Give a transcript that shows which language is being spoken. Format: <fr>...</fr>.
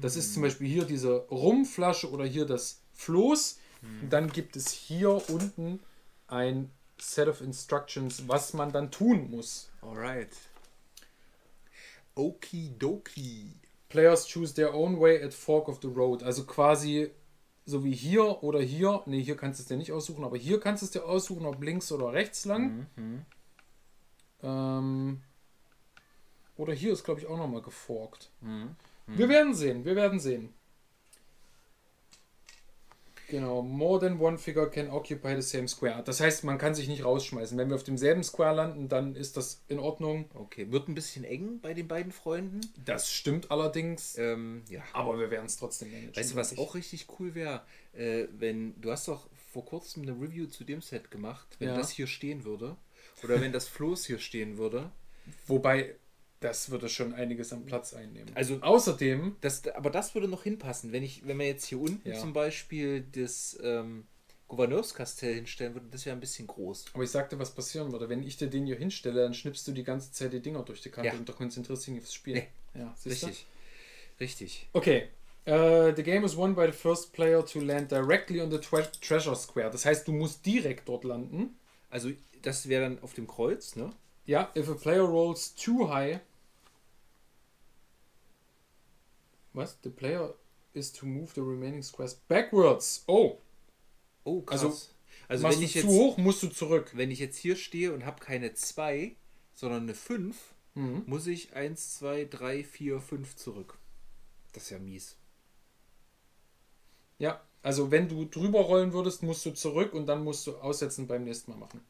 <de>Das ist zum Beispiel hier diese Rumflasche oder hier das Floß. Mhm. Dann gibt es hier unten ein</de> <en>Set of Instructions,</en> <de>was man dann tun muss.</de> <en>Alright. Okidoki. Players choose their own way at fork of the road.</en> <de>Also quasi so wie hier oder hier. Ne, hier kannst du es dir nicht aussuchen, aber hier kannst du es dir aussuchen, ob links oder rechts lang. Mhm. Oder hier ist, glaube ich, auch nochmal geforkt. Mhm. Mhm. Wir werden sehen. Genau,</de> <en>more than one figure can occupy the same square.</en> <de>Das heißt, man kann sich nicht rausschmeißen. Wenn wir auf demselben Square landen, dann ist das in Ordnung. Okay, wird ein bisschen eng bei den beiden Freunden. Das stimmt allerdings. Ja. Aber wir werden es trotzdem managen. Weißt du, was auch richtig cool wäre? Wenn du hast doch vor kurzem eine Review zu dem Set gemacht, wenn das hier stehen würde. Oder wenn das Floß hier stehen würde. Wobei, das würde schon einiges an Platz einnehmen. Also außerdem... Das würde noch hinpassen. Wenn man jetzt hier unten zum Beispiel das Gouverneurskastell hinstellen würde, das wäre ein bisschen groß. Aber ich sagte, was passieren würde. Wenn ich dir den hier hinstelle, dann schnippst du die ganze Zeit die Dinger durch die Kante und du konzentrierst dich aufs Spiel. Nee. Ja, richtig. Richtig. Okay.</de> <en>The game is won by the first player to land directly on the treasure square.</en> <de>Das heißt, du musst direkt dort landen. Also das wäre dann auf dem Kreuz, ne? Ja,</de> <en>if a player rolls too high.</en> <de>Was?</de> <en>The player is to move the remaining squares backwards. Oh.</en> <de>Oh, krass. Also wenn ich jetzt zu hoch, musst du zurück. Wenn ich jetzt hier stehe und habe keine 2, sondern eine 5, muss ich 1, 2, 3, 4, 5 zurück. Das ist ja mies. Ja, also wenn du drüber rollen würdest, musst du zurück und dann musst du aussetzen beim nächsten Mal machen.</de>